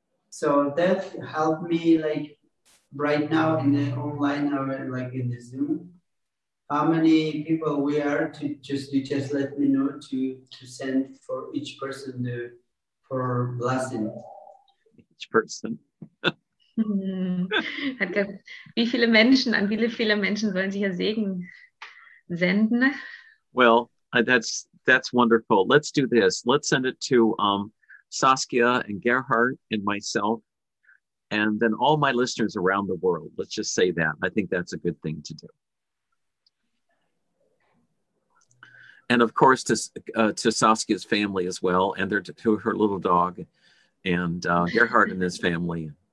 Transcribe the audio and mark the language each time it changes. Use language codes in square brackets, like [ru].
[en] So that helped me like right now in the online or like in the Zoom. How many people we are to just let me know to send for each person the for blessing. Each person. [de] Wie viele Menschen, an wie viele Menschen sollen sie hier Segen senden? [en] Well, that's wonderful. Let's do this. Let's send it to Saskia and Gerhard and myself. And then all my listeners around the world, let's just say that. I think that's a good thing to do. And of course, to Saskia's family as well, and to her little dog, and Gerhard and his family.